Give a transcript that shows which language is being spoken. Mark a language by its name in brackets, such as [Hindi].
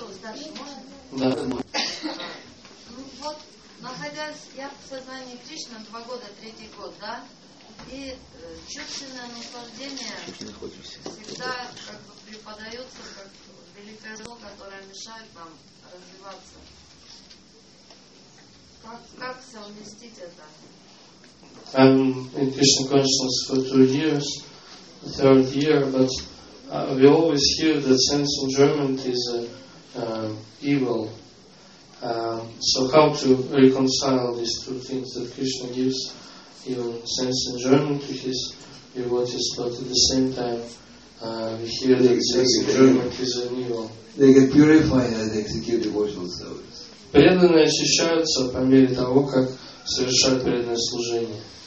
[Russian] Ну вот, находясь я в сознании Кришны 2 года, 3 год, да, и чувственное наслаждение всегда как бы преподается как великое зло, которое мешает нам развиваться. Как совместить это? [English] I'm in Krishna consciousness for 2 years, third year, but we always hear that sense enjoyment is evil. So how to reconcile these two things, that Krishna gives even sense enjoyment to his devotees, but at the same time we hear that sense enjoyment is an evil. They get purified and execute devotional service. [Russian] Преданные очищаются по мере того, как совершают преданное служение.